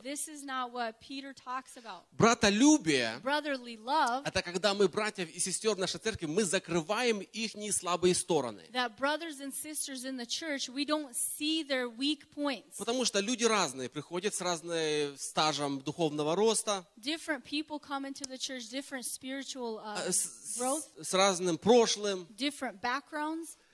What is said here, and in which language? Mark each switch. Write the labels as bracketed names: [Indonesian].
[English] This is not what Peter talks about. [Russian] Братолюбие. [English] Brotherly love. [Russian] Это когда мы братьев и сестер в нашей церкви мы закрываем их не слабые стороны. [English] That brothers and sisters in the church we don't see their weak points. [Russian] Потому что люди разные приходят с разным стажем духовного роста. [English] Different people come into the church, different spiritual growth. [Russian] С разным прошлым. [English] Different backgrounds.